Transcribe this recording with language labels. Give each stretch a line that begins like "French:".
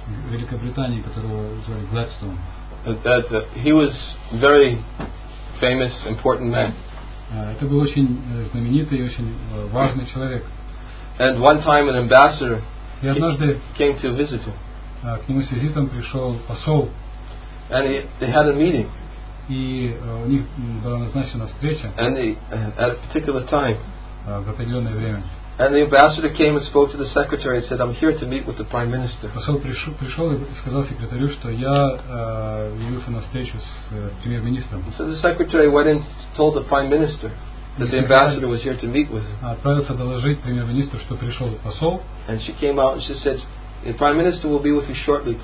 Russian: Великобритании, которого звали Гладстон.
English: He was very famous, important man.
Russian: Это был очень знаменитый и очень важный человек.
English: And one time an ambassador came to visit him.
Russian: К нему с визитом пришел посол.
English: And they had a meeting.
Russian: И у них была назначена встреча.
English: And at a particular time.
Russian: В определенное время.
English: And the ambassador came and spoke to the secretary and said, "I'm here to meet with the prime minister."
Russian: Посол пришел и сказал секретарю, что я явился на встречу с премьер-министром.
English: So the secretary went and told the prime minister that the ambassador was here to meet with him.
Russian: Отправился доложить премьер-министру, что пришел посол.
English: And she came out and she said, "The prime minister will be with you shortly.